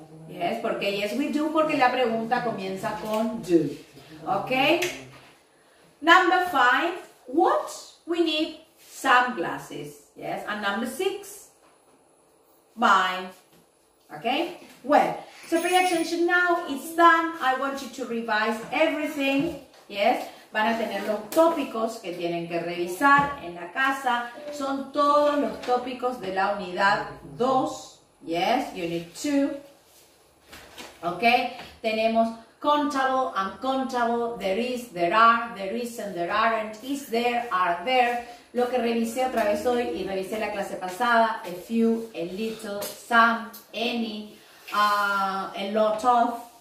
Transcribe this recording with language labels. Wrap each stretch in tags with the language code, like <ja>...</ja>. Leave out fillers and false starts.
<en>Yes,</en> <es>porque</es> <en>yes, we do,</en> <es>porque la pregunta comienza con do.</es> <en>Okay? Number 5. What? We need sunglasses. Yes, and number six, mine. Okay, well, so pay attention now, it's done. I want you to revise everything. Yes,</en> <es>van a tener los tópicos que tienen que revisar en la casa. Son todos los tópicos de la unidad 2.</es> <en>Yes, unit 2. Okay,</en> <es>tenemos</es> <en>countable, uncountable, there is, there isn't, there aren't, is there, are there.</en> <es>Lo que revisé otra vez hoy y revisé la clase pasada,</es> <en>a few, a little, some, any, a lot of.</en>